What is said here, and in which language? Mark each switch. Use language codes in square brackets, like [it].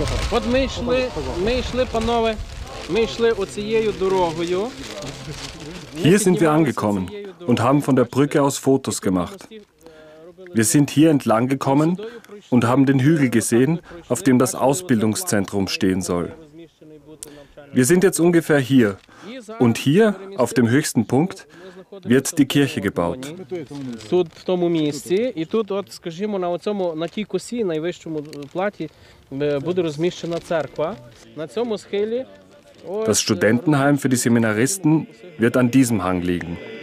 [uk] От ми йшли, панове, ми йшли оцією дорогою. [de] Hier sind wir angekommen und haben von der Brücke aus Fotos gemacht. Wir sind hier entlang gekommen und haben den Hügel gesehen, auf dem das Ausbildungszentrum stehen soll. Wir sind jetzt ungefähr hier und hier, auf dem höchsten Punkt, wird die Kirche gebaut. [uk] Тут в тому місці і тут от, скажімо, на цьому, на тій косі, найвищому платі буде розміщена церква. На цьому схилі [de] Das Studentenheim für die Seminaristen wird an diesem Hang liegen.